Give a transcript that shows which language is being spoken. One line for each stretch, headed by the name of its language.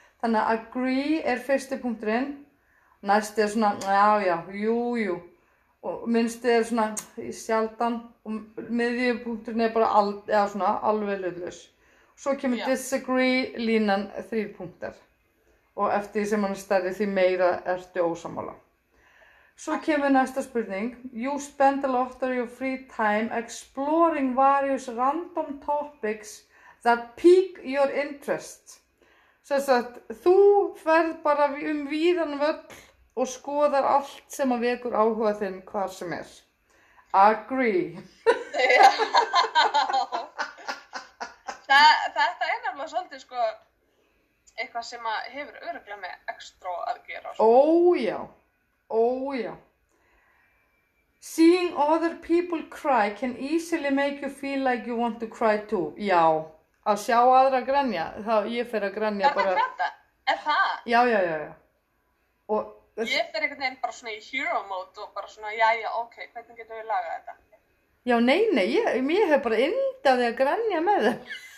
Icelandic: Þannig að agree er fyrsti punkturinn. Næsti er svona, já, já, jú, jú. Og minnsti er svona í sjaldan. Og miðjupunkturinn er bara já, svona, alveg hlutlaus. Svo kemur já. Disagree línan þrý punktar. Og eftir því sem hann stærði því meira ertu ósammála. Svo kemur næsta spurning.
English: You spend a lot of your free time exploring various random topics that pique your interest.
Icelandic: Sess að þú ferð bara víðan völl og skoðar allt sem að vekur áhuga þinn hvar sem er.
English: Agree.
Icelandic: Já. Þetta er nefnilega svolítið sko eitthvað sem að hefur örugglega með extra að gera. Ó já. Ó já.
English: Seeing other people cry can easily make you feel like you want to cry too.
Icelandic: Já, að sjá aðra að grenja, þá ég fer að grenja bara. Það er þetta, er það? Já, já, já, já. Og ég fer einhvern veginn bara svona í
English: hero mode
Icelandic: og bara svona, jæja, ok, hvernig getum við lagað þetta? Já, nei, nei, ég hef bara yndað því að grenja með þeim.